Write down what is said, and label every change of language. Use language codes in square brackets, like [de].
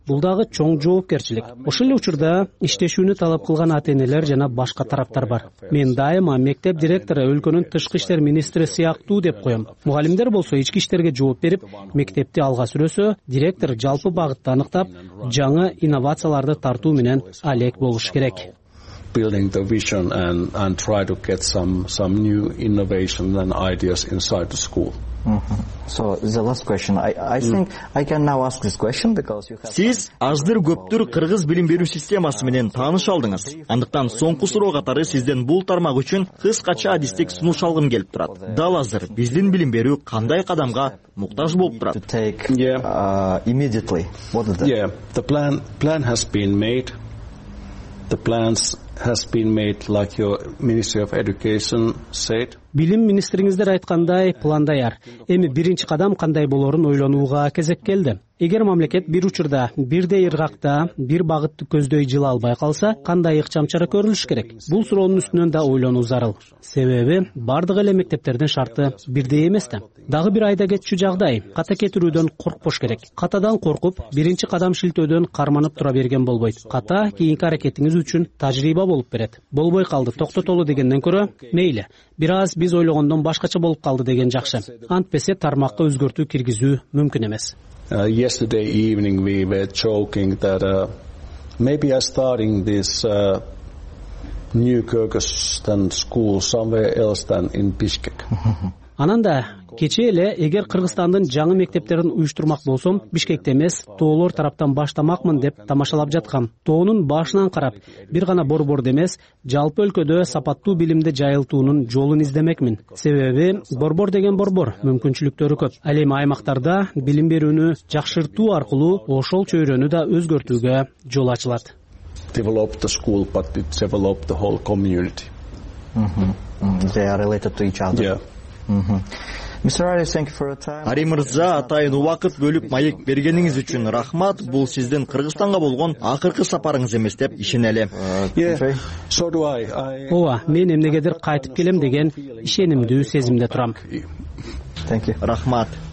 [ky] Бул дагы чоң жоопкерчилик. Ошол эле учурда иштешүүнү талап кылган ата-энелер жана башка тараптар бар. Мен дайыма мектеп директору өлкөнүн тышкы иштер министри сыяктуу деп коем. Мугалимдер болсо ички иштерге жооп берип, мектепти алга сүрөсө, директор жалпы багытты аныктап, жаңы инновацияларды тартуу менен алек болуш керек. [en] Building the vision and try to get some new innovations and ideas inside the school. Mm-hmm. So the last question. I think I can now ask this question because you have. [ky] Сиз аздыр көптүр кыргыз билим берүү системасы менен тааныш алдыңыз. Андыктан соңку суроо катары сизден бул тармак үчүн кыскача адистик сунуш алгым келип турат. Дал азыр биздин билим берүү кандай кадамга муктаж болуп турат? [en] Immediately. What is that? Yeah, the plan has been made. The plans has been made like your Ministry of Education said. [ky] Билим министриңиздер айткандай план даяр. Эми биринчи кадам кандай болорун ойлонууга кезек келди. Эгер мамлекет бир учурда, бирдей ыргакта, бир багытты көздөй жыла албай калса, кандай ыкчам чара көрүлүш керек? Бул суроонун үстүнөн да ойлонуу зарыл. Себеби, бардык эле мектептердин шарты бирдей эмес да. Дагы бир айда кетчү жагдай, ката кетирүүдөн коркпош керек. Катадан коркуп, биринчи кадам шилтөөдөн карманып тура берген болбойт. Ката кийинки аракетиңиз үчүн тажрыйба болуп берет. Болбой калды, токтотолу дегенден көрө, мейли. Бираз биз ойлогондон башкача болуп калды деген жакшы. Антпесе тармакка өзгөртүү киргизүү мүмкүн эмес. [en] Yesterday evening we were joking that maybe I'm starting this new Kyrgyzstan school somewhere else than in Bishkek. [ky] Анан да кечээ эле эгер Кыргызстандын жаңы мектептерин уюштурмак болсом, Бишкекте эмес, тоолор тараптан баштамакмын деп тамашалап жаткам. Тоонун башынан карап, бир гана борбор эмес, жалпы өлкөдө сапаттуу билимди жайылтуунун жолун издемекмин. Себеби, борбор деген борбор, мүмкүнчүлүктөрү көп. Ал эми аймактарда билим берүүнү жакшыртуу аркылуу ошол чөйрөнү да өзгөртүүгө жол ачылат. [en] Develop the school, but it developed the whole community. They are related to each other. Yeah. Mr. Ali, thank you for your time. [ky] Ари Мырза, атайын убакыт бөлүп маек бергениңиз үчүн рахмат. Бул сиздин Кыргызстанга болгон акыркы сапарыңыз эмес деп ишенели. Ооба, мен эмнегедир кайтып келем деген ишенимдүү сезимде турам. [en] Thank you. [ky] Рахмат.